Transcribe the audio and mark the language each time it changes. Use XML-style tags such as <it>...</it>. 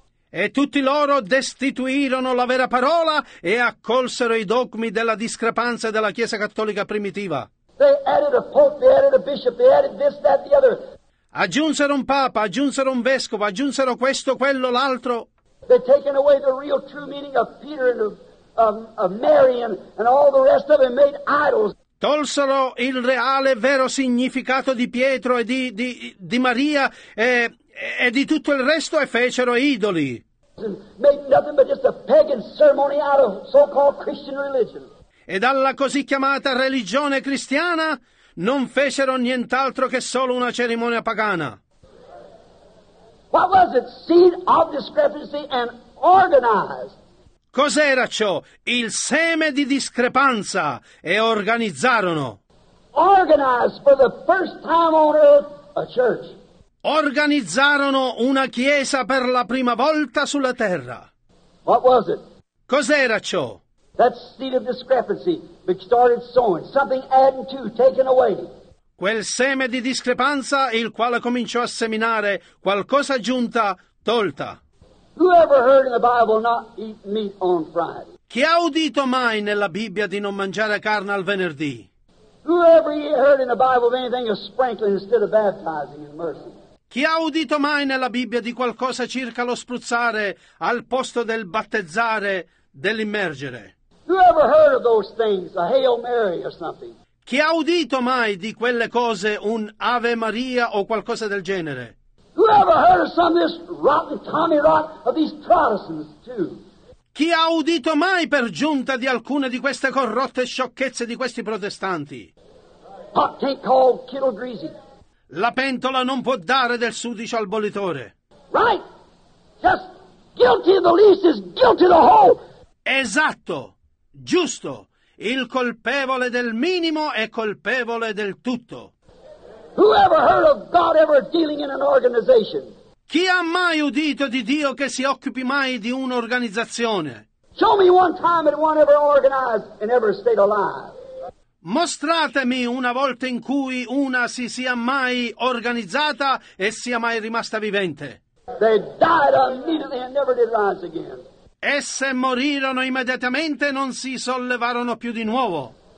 <it>E tutti loro destituirono la vera parola e accolsero i dogmi della discrepanza della Chiesa Cattolica Primitiva.</it> <en>They added a pope, they added a bishop, they added this, that, the other.</en> <it>Aggiunsero un papa, aggiunsero un vescovo, aggiunsero questo, quello, l'altro.</it> <en>They've taken away the real true meaning of Peter and of Mary and all the rest of them, made idols.</en> <it>Tolsero il reale vero significato di Pietro e di Maria e di tutto il resto e fecero idoli.</it> <en>Made nothing but just a pagan ceremony out of so-called Christian religion.</en> <it>E dalla così chiamata religione cristiana non fecero nient'altro che solo una cerimonia pagana.</it> <en>What was it? Seed of discrepancy and organized.</en> <it>Cos'era ciò? Il seme di discrepanza e organizzarono.</it> <en>Organized for the first time on earth a church.</en> <it>Organizzarono una chiesa per la prima volta sulla terra.</it> <en>What was it?</en> <it>Cos'era ciò?</it> <en>That seed of discrepancy which started sowing, something added to, taken away.</en> <it>Quel seme di discrepanza il quale cominciò a seminare, qualcosa aggiunta, tolta.</it> <en>Who ever heard in the Bible not eat meat on Friday?</en> <it>Chi ha udito mai nella Bibbia di non mangiare carne al venerdì?</it> <en>Who ever heard in the Bible of anything of sprinkling instead of baptizing in mercy?</en> <it>Chi ha udito mai nella Bibbia di qualcosa circa lo spruzzare al posto del battezzare, dell'immergere?</it> <en>Who ever heard of those things, a Hail Mary or something?</en> <it>Chi ha udito mai di quelle cose un Ave Maria o qualcosa del genere?</it> <en>Who ever heard of some of this rotten Tommy rot of these Protestants too?</en> <it>Chi ha udito mai per giunta di alcune di queste corrotte sciocchezze di questi protestanti?</it> <en>Pot can't call kettle greasy.</en> <it>La pentola non può dare del sudicio al bollitore.</it> <en>Right. Just guilty of the least is guilty of the whole.</en> <it>Esatto. Giusto. Il colpevole del minimo è colpevole del tutto.</it> <en>Who ever heard of God ever dealing in an organization?</en> <it>Chi ha mai udito di Dio che si occupi mai di un'organizzazione?</it> <en>Show me one time that one ever organized and ever stayed alive.</en> <it>Mostratemi una volta in cui una si sia mai organizzata e sia mai rimasta vivente.</it> <en>They died immediately and never did rise again.</en> <it>Esse morirono immediatamente e non si sollevarono più di nuovo.</it>